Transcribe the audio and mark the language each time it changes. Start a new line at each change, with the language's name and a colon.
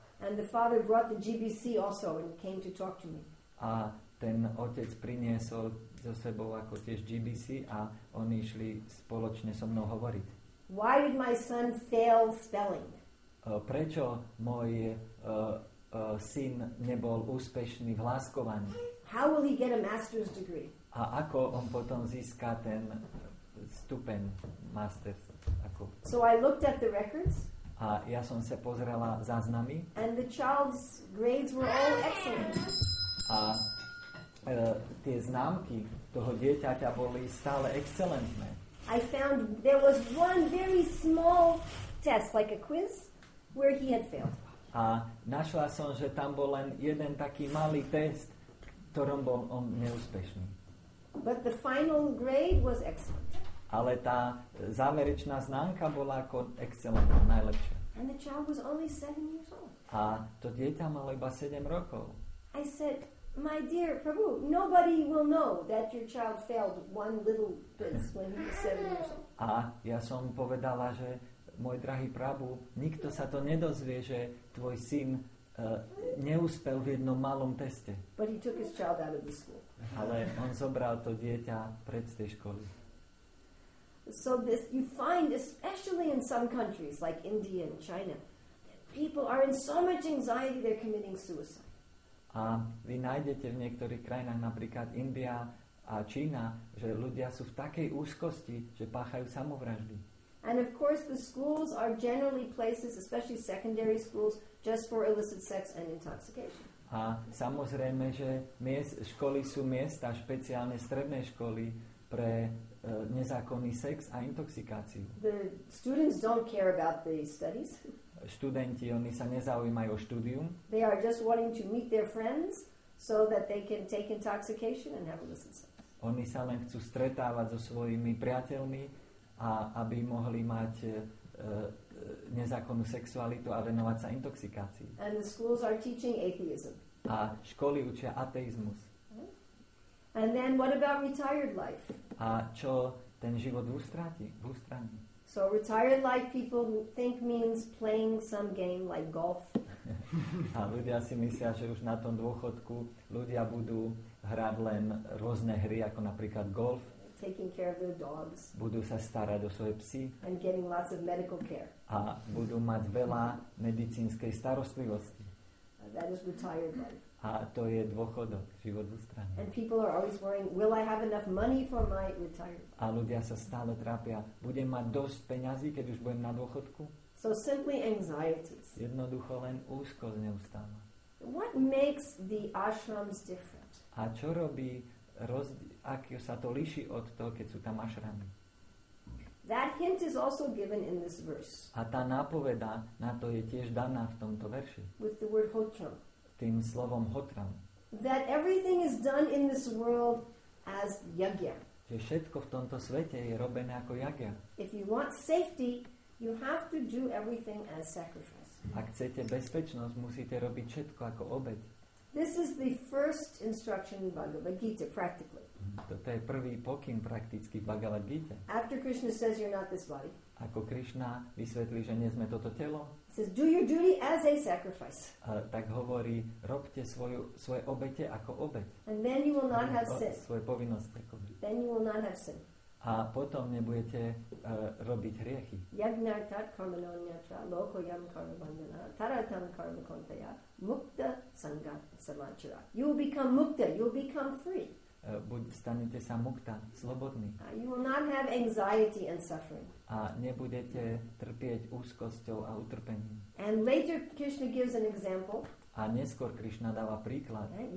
English: And the father brought the GBC also and came to talk to me.
Slovak: A ten otec priniesol so sebou ako tiež GBC a oni išli spoločne so mnou hovoriť.
English: Why did my son fail spelling?
Slovak: Prečo môj syn nebol úspešný v hláskovaní?
English: How will he get a master's degree?
Slovak: A ako on potom získa ten stupeň master's? Ako...
English: So I looked at the records.
Slovak: A ja som sa pozrela záznamy.
English: And the child's grades were all excellent.
Slovak: A tie známky toho dieťaťa boli stále excelentné.
English: I found there was one very small test, like a quiz, where he had failed.
Slovak: A našla som, že tam bol len jeden taký malý test, ktorom bol on neúspešný.
English: But the final grade was excellent.
Slovak: Ale tá záverečná známka bola ako excelentná, najlepšia.
English: And the child was only 7 years old.
Slovak: A to dieťa malo iba 7 rokov.
English: I said, my dear Prabhu, nobody will know that your child failed one little quiz when he was 7 years old.
Slovak: A ja som povedala, že môj drahý Prabhu, nikto sa to nedozvie, že tvoj syn neúspel v jednom malom teste.
English: But he took his child out of the school.
Slovak: Ale on zobral to dieťa pred tej školy.
English: So this you find especially in some countries like India and China that people are in so much anxiety they're committing suicide.
Slovak: A vy nájdete v niektorých krajinách, napríklad India a Čína, že ľudia sú v takej úzkosti, že páchajú samovraždy.
English: And of course the schools are generally places, especially secondary schools, just for illicit sex and intoxication.
Slovak: A samozrejme, že školy sú miesta, špeciálne stredné školy, pre nezákonný sex a intoxikáciu.
English: The students don't care about the studies.
Slovak: Študenti, oni sa nezaujímajú o štúdium.
English: They are just wanting to meet their friends so that they can take intoxication and have illicit sex.
Slovak: Oni sa len chcú stretávať so svojimi priateľmi a aby mohli mať nezákonnú sexualitu a venovať sa intoxikácii.
English: And the schools are teaching atheism.
Slovak: A školy učia ateizmus.
English: And then what about retired life?
Slovak: A čo ten život v ústraní?
English: So retired life people think means playing some game like golf.
Slovak: A ľudia si myslia, že už na tom dôchodku ľudia budú hrať len rôzne hry, ako napríklad golf.
English: Taking care of their dogs.
Slovak: Budú sa starať o svoje psy.
English: And getting lots of medical care.
Slovak: A budú mať veľa medicínskej starostlivosti.
English: That is retired life.
Slovak: A to je dôchodok, život v ústraní.
English: And people are always worrying, will I have enough money for my retirement?
Slovak: A ľudia sa stále trápia, budem mať dosť peňazí, keď už budem na dôchodku?
English: So simply anxieties.
Slovak: Jednoducho len úzkosť neustála.
English: What makes the ashrams different?
Slovak: A čo robí, ak sa to líši od toho, keď sú tam ashramy?
English: That hint is also given in this verse.
Slovak: A tá nápoveda na to je tiež daná v tomto verši.
English: With the word hotram.
Slovak: Tým slovom hotram.
English: That everything is done in this world as yagya.
Slovak: Že všetko v tomto svete je robené ako yagya.
English: If you want safety, you have to do everything as sacrifice.
Slovak: Ak chcete bezpečnosť, musíte robiť všetko ako obeť.
English: This is the first instruction in Bhagavad Gita, practically.
Slovak: Toto je prvý pokyn prakticky v Bhagavad Gita.
English: After Krishna says you're not this body.
Slovak: Ako Krishna vysvetlí, že nie sme toto telo.
English: He says, do your duty as a sacrifice.
Slovak: Tak hovorí, robte svoje obete ako obeť.
English: And then you will not have sin.
Slovak: Svoje povinnosti ako obeť.
English: Then you will not have sin.
Slovak: A potom nebudete robiť hriechy.
Sanskrit: Yagnartat karmanonyatra lokoyam karmabandana taratam karmakontaya mukta sangha samachara.
English: You will become mukta, you will become free.
Slovak: Stanete sa mukta, slobodný.
English: You will not have anxiety and suffering.
Slovak: A nebudete trpieť úzkosťou a utrpením.
English: And later Krishna gives an example.
Slovak: A neskôr Krishna dáva príklad.